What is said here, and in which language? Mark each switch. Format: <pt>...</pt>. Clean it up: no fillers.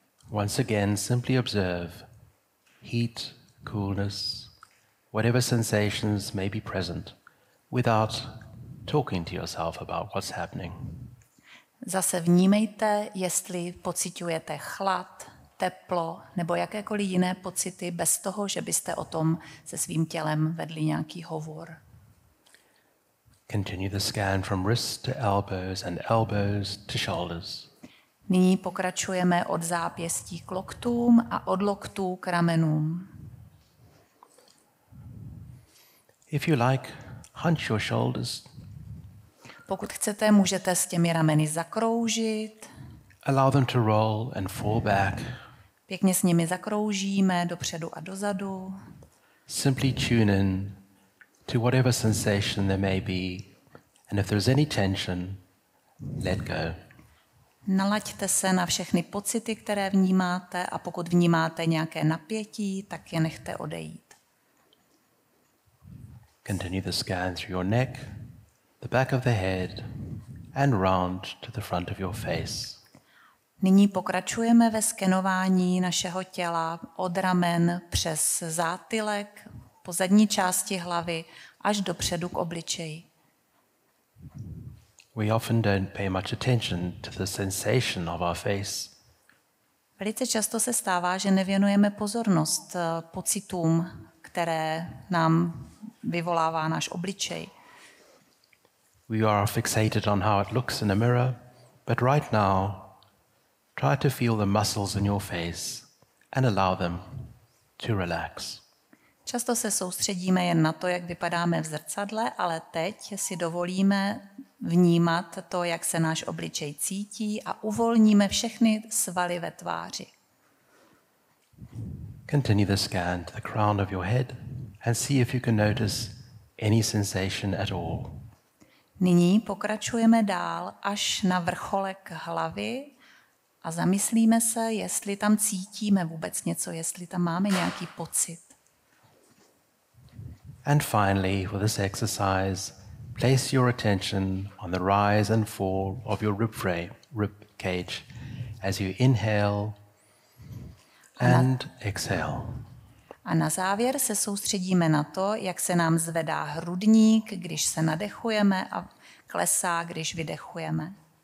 <en>Once again, simply observe heat, coolness, whatever sensations may be present, without talking to yourself about what's happening.</en> <cs>Zase vnímejte, jestli pociťujete chlad, teplo nebo jakékoliv jiné pocity bez toho, že byste o tom se svým tělem vedli nějaký hovor.</cs> <en>Continue the scan from wrists to elbows and elbows to shoulders.</en> <cs>Nyní pokračujeme od zápěstí k loktům a od loktů k ramenům.</cs> <en>If you like, hunch your shoulders.</en> <cs>Pokud chcete, můžete s těmi rameny zakroužit.</cs> <en>Allow them to roll and fall back.</en> <cs>Pěkně s nimi zakroužíme dopředu a dozadu.</cs> <en>Simply tune in to whatever sensation there may be, and if there's any tension, let go.</en> <cs>Nalaďte se na všechny pocity, které vnímáte, a pokud vnímáte nějaké napětí, tak je nechte odejít.</cs> <en>Continue the scan through your neck, the back of the head, and round to the front of your face.</en> <cs>Nyní pokračujeme ve skenování našeho těla od ramen přes zátylek, po zadní části hlavy až dopředu k obličeji.</cs> <en>We often don't pay much attention to the sensation of our face.</en> <cs>Velice často se stává, že nevěnujeme pozornost pocitům, které nám vyvolává náš obličej.</cs> <en>We are fixated on how it looks in a mirror, but right now try to feel the muscles in your face and allow them to relax.</en> <cs>Často se soustředíme jen na to, jak vypadáme v zrcadle, ale teď si dovolíme vnímat to, jak se náš obličej cítí a uvolníme všechny svaly ve tváři.</cs> <en>Continue the scan to the crown of your head and see if you can notice any sensation at all.</en> <cs>Nyní pokračujeme dál až na vrcholek hlavy a zamyslíme se, jestli tam cítíme vůbec něco, jestli tam máme nějaký pocit.</cs> <en>And finally, with this exercise, place your attention on the rise and fall of your rib cage as you inhale and exhale.</en> <cs>A na závěr se soustředíme na to, jak se nám zvedá hrudník, když se nadechujeme, a klesá, když vydechujeme.</cs>